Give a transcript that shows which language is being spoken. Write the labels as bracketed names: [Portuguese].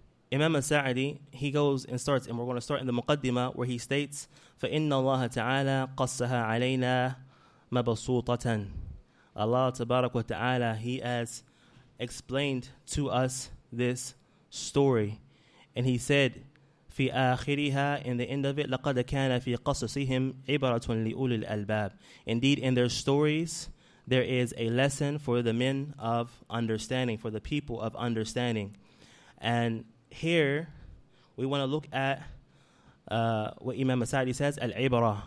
[English] Imam al-Sa'di, he goes and starts, and we're going to start in the Muqaddimah, where he states, [Arabic] فَإِنَّ اللَّهَ تَعَالَى قَصَّهَا عَلَيْنَا مَبَصُوطَةً. [English] Allah tabarak wa ta'ala, he has explained to us this story. And he said, [Arabic] فِي آخِرِهَا, [English] in the end of it, [Arabic] لَقَدَ كَانَ فِي قَصَصِهِمْ عِبَرَةٌ لِأُولِ الْأَلْبَابِ. [English] Indeed, in their stories, there is a lesson for the men of understanding, for the people of understanding. And here, we want to look at what Imam al-Sa'di says, al-ibara.